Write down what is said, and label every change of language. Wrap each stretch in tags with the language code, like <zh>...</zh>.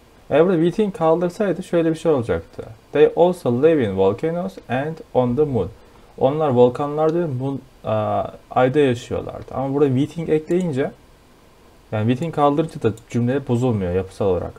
<tr>Eğer burada within kaldırsaydı şöyle bir şey olacaktı.</tr> <en>They also live in volcanoes and on the moon.</en> <tr>Onlar volkanlarda ayda yaşıyorlardı. Ama burada within ekleyince, yani within kaldırınca da cümle bozulmuyor yapısal olarak.</tr>